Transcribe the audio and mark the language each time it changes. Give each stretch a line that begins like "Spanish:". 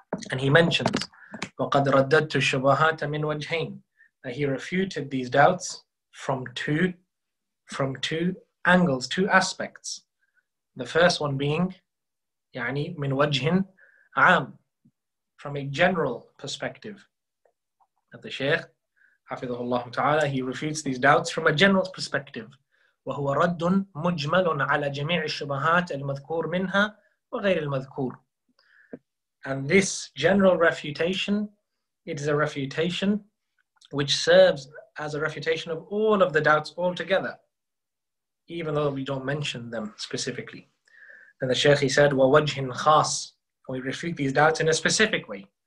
English: And he mentions,
Arabic: وَقَدْ رَدَّدْتُ الشُّبَهَاتَ مِنْ وَجْهَيْنِ,
English: that he refuted these doubts from two angles, two aspects. The first one being,
Arabic: يعني من وجه عام,
English: from a general perspective. Of the Shaykh, حفظه الله تعالى, he refutes these doubts from a general perspective.
Arabic: وهو رد مجمل على جميع الشبهات المذكور منها وغير المذكور.
English: And this general refutation, it is a refutation which serves as a refutation of all of the doubts altogether, even though we don't mention them specifically. And the Shaykh, he said,
Arabic: وَوَجْهٍ خَاسٍ,
English: we refute these doubts in a specific way.